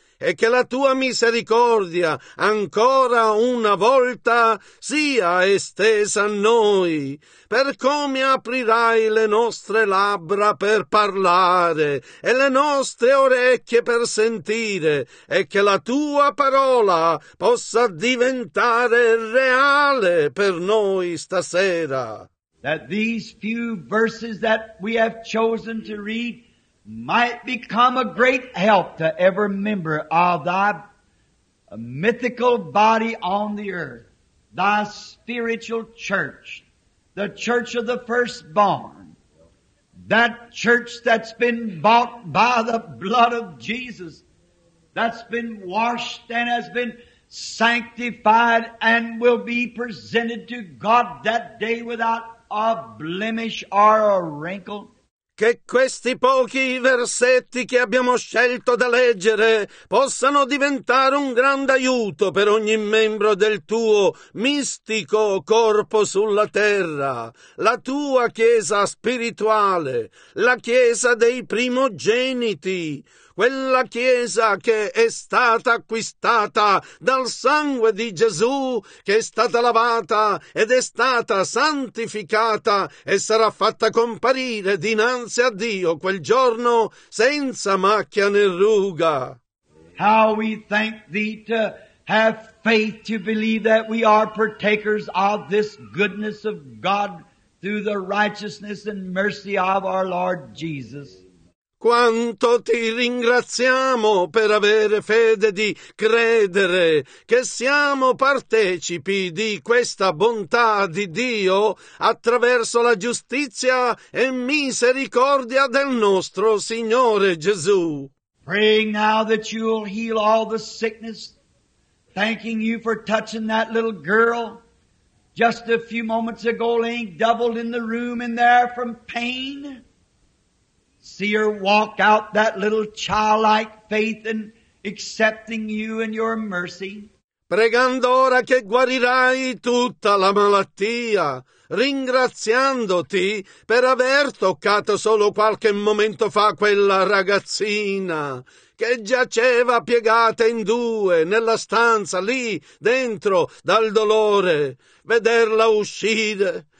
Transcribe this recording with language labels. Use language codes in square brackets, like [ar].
[it] e che la tua misericordia ancora una volta sia estesa a noi, per come aprirai le nostre labbra per parlare e le nostre orecchie per sentire, e che la tua parola possa diventare reale per noi stasera. [en] That these few verses that we have chosen to read might become a great help to every member of thy mythical body on the earth, thy spiritual church, the church of the firstborn, that church that's been bought by the blood of Jesus, that's been washed and has been sanctified and will be presented to God that day without a blemish or a wrinkle. [it] Che questi pochi versetti che abbiamo scelto da leggere possano diventare un grande aiuto per ogni membro del tuo mistico corpo sulla terra, la tua chiesa spirituale, la chiesa dei primogeniti, quella chiesa che è stata acquistata dal sangue di Gesù, che è stata lavata ed è stata santificata e sarà fatta comparire dinanzi a Dio quel giorno senza macchia né ruga. [en] How we thank thee to have faith to believe that we are partakers of this goodness of God through the righteousness and mercy of our Lord Jesus. [it] Quanto ti ringraziamo per avere fede di credere che siamo partecipi di questa bontà di Dio attraverso la giustizia e misericordia del nostro Signore Gesù. [en] Praying now that you'll heal all the sickness, thanking you for touching that little girl just a few moments ago, laying doubled in the room in there from pain. See her walk out that little childlike faith and accepting you and your mercy. [it] Pregando ora che guarirai tutta la malattia, ringraziandoti per aver toccato solo qualche momento fa quella ragazzina che giaceva piegata in due nella stanza lì dentro dal dolore, vederla uscire.